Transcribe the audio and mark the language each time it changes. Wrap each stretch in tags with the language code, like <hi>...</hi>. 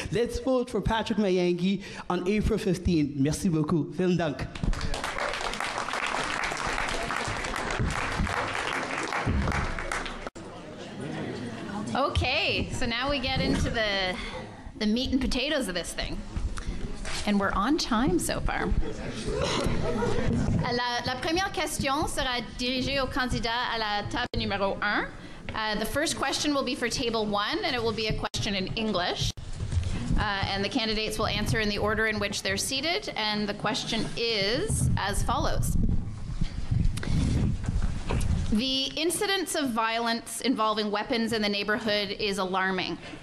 <en>Let's vote for Patrick Mayangui on April 15.</en> <fr>Merci beaucoup.</fr> <de>Vielen Dank.</de> <en>Okay, so now we get into the meat and potatoes of this thing. And we're on time so far.</en> <fr>La première question sera dirigée au candidat à la table numéro 1.</fr> <en>The first question will be for table 1, and it will be a question in English. And the candidates will answer in the order in which they're seated. And the question is as follows. The incidence of violence involving weapons in the neighborhood is alarming.</en>